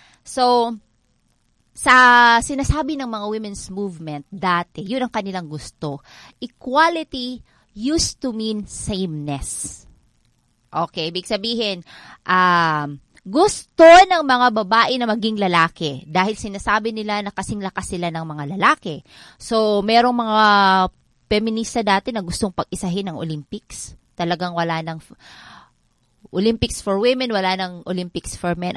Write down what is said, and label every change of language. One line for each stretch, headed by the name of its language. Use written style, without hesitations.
Filipino: So, sa sinasabi ng mga women's movement dati, yun ang kanilang gusto.
English: Equality used to mean sameness.
Filipino: Okay, ibig sabihin, gusto ng mga babae na maging lalaki dahil sinasabi nila na kasing lakas sila ng mga lalaki. So, merong mga feminista dati na gustong pag-isahin ng Olympics. Talagang wala ng Olympics for women, wala ng Olympics for men.